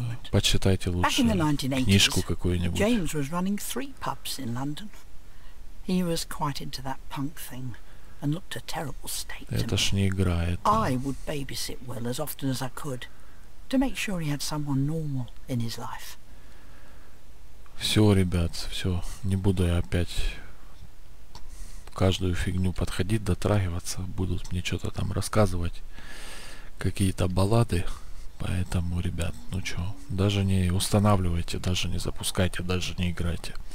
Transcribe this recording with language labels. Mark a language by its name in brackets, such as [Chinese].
[Russian] Почитайте лучше книжку какую-нибудь. [English] James was running 3 pubs in London. He was quite into that punk thing and looked a terrible state. [Russian] Это ж не игра, это. [English] I would babysit Will as often as I could to make sure he had someone normal in his life. [Russian] Всё, ребят, всё, не буду я опять каждую фигню подходить, дотрагиваться, будут мне что-то там рассказывать какие-то баллады. Поэтому, ребят, ну чё, даже не устанавливайте, даже не запускайте, даже не играйте.